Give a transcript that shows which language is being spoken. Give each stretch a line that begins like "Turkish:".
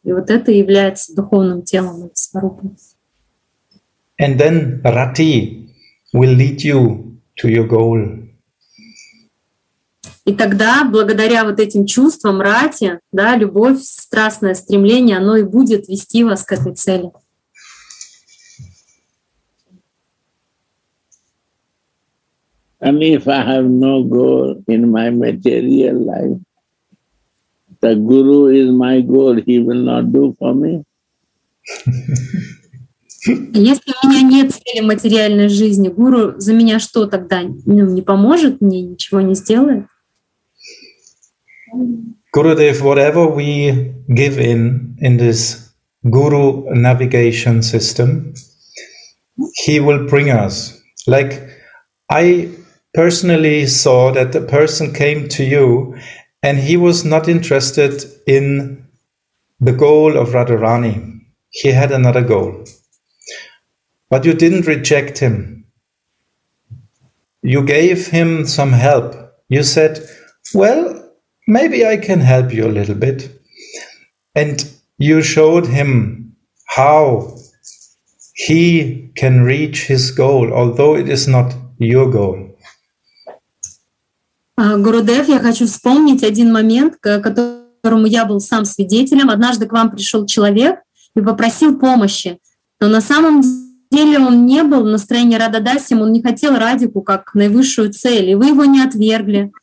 Russian: И вот это является духовным телом, сварупа.
English: And then Rati will lead you to your goal.
Russian: И тогда, благодаря вот этим чувствам, рати, да, любовь, страстное стремление, оно и будет вести вас к этой цели.
English: And if I have no goal in my material life, the guru is my goal, he will not do for me.
Russian: Если у меня нет цели материальной жизни, гуру за меня что тогда? Ну, не поможет мне, ничего не сделает?
English: Gurudev, whatever we give in this guru navigation system, he will bring us. Like, I personally saw that the person came to you and he was not interested in the goal of Radharani. He had another goal. But you didn't reject him. You gave him some help. You said, well, maybe I can help you a little bit. And you showed him how he can reach his goal, although it is not your goal.
Russian: Гурудев, я хочу вспомнить один момент, к которому я был сам свидетелем. Однажды к вам пришел человек и попросил помощи, но на самом деле он не был в настроении Рададасим, он не хотел Радику как наивысшую цель, и вы его не отвергли.